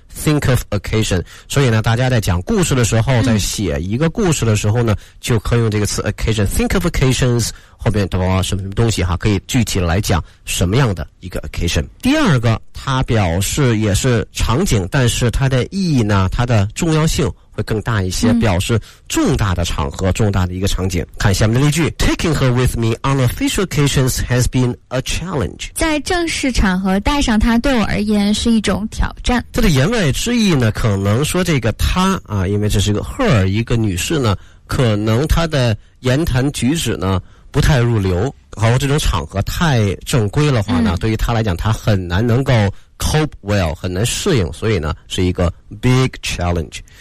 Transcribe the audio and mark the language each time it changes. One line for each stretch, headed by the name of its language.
English: Think of occasion，
Chinese: 所以呢，大家在讲故事的时候，在写一个故事的时候呢，就可以用这个词 occasion。
English: Think of occasions
Chinese: 后面多什么什么东西哈，可以具体来讲什么样的一个 occasion。第二个，它表示也是场景，但是它的意义呢，它的重要性会更大一些，表示重大的场合，重大的一个场景。看下面的例句
English: ：Taking her with me on official occasions has been a challenge。
Chinese: 在正式场合带上她对我而言是一种挑战。它的言外之意呢，可能说这个她啊，因为这是一个 her， 一个女士呢，可能她的言谈举止呢不太入流，好，这种场合太正规的话呢，对于她来讲，她很难能够cope well， 很难适应，所以呢是一个 big challenge。